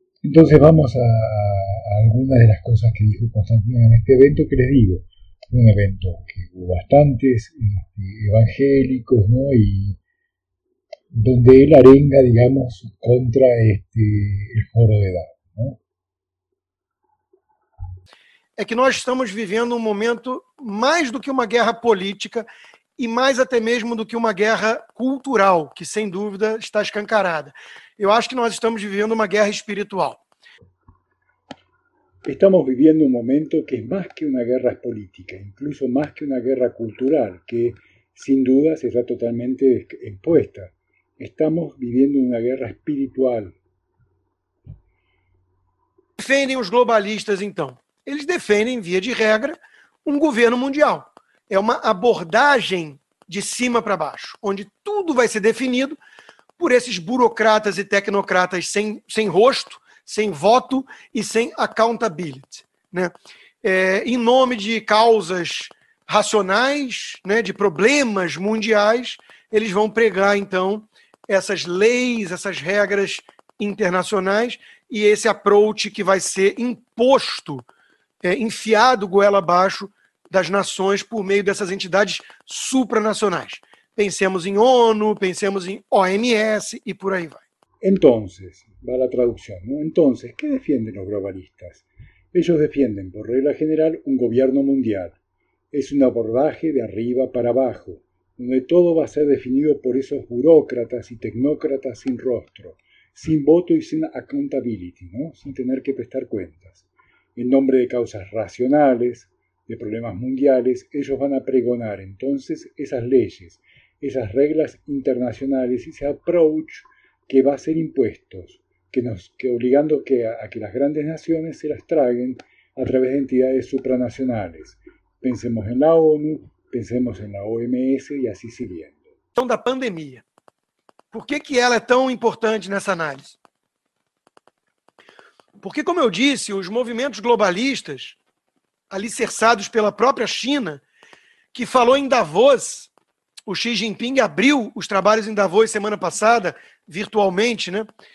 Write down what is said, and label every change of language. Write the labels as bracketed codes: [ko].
[es] Entonces vamos a algunas de las cosas que dijo Constantino en este evento, que les digo, un evento que hubo bastantes evangélicos, ¿no? Y donde él arenga, digamos, contra el Foro de Davos, ¿no? [pt] É que nós estamos vivendo um momento mais do que uma guerra política e mais até mesmo do que uma guerra cultural, que sem dúvida está escancarada. Eu acho que nós estamos vivendo uma guerra espiritual. Estamos viviendo un momento que es más que una guerra política, incluso más que una guerra cultural, que sin duda se está totalmente expuesta. Estamos viviendo una guerra espiritual. Defendem os globalistas, então? Eles defendem, via de regra, um governo mundial. É uma abordagem de cima para baixo, onde tudo vai ser definido por esses burocratas e tecnocratas sem rosto, sem voto e sem accountability, né? Em nome de causas racionais, né, de problemas mundiais, eles vão pregar, então, essas leis, essas regras internacionais e esse approach que vai ser imposto. Enfiado goela abaixo das nações por meio dessas entidades supranacionais. Pensemos em ONU, pensemos em OMS e por aí vai. [es] Entonces, va la traducción, ¿no? Entonces, ¿qué defienden los globalistas? Ellos defienden, por regla general, un gobierno mundial. Es un abordaje de arriba para abajo, donde todo va a ser definido por esos burócratas y tecnócratas sin rostro, sin voto y sin accountability, ¿no? Sin tener que prestar cuentas. En nombre de causas racionales, de problemas mundiales, ellos van a pregonar entonces esas leyes, esas reglas internacionales, ese approach que va a ser impuestos, que obligando a que las grandes naciones se las traguen a través de entidades supranacionales. Pensemos en la ONU, pensemos en la OMS y así siguiendo. [pt] Então, da pandemia. Por que que ela é tão importante nessa análise? Porque, como eu disse, os movimentos globalistas, alicerçados pela própria China, que falou em Davos, o Xi Jinping abriu os trabalhos em Davos semana passada, virtualmente, né?